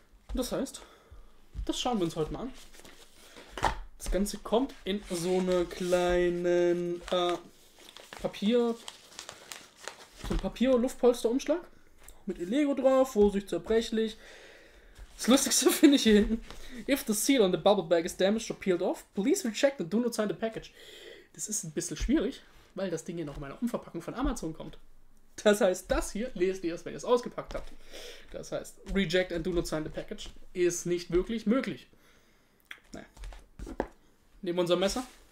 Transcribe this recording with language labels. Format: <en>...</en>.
<de>Und das heißt, das schauen wir uns heute mal an. Das Ganze kommt in so eine kleinen Papier Luftpolsterumschlag mit Lego drauf, vorsichtig zerbrechlich. Das Lustigste finde ich hier hinten.</de> <en>If the seal on the bubble bag is damaged or peeled off, please recheck and do not sign the package.</en> <de>Das ist ein bisschen schwierig, weil das Ding hier noch in meiner Umverpackung von Amazon kommt. Das heißt, das hier lest ihr erst, wenn ihr es ausgepackt habt. Das heißt,</de> <en>reject and do not sign the package</en> <de>ist nicht wirklich möglich. Naja. Nehmen wir unser Messer.</de>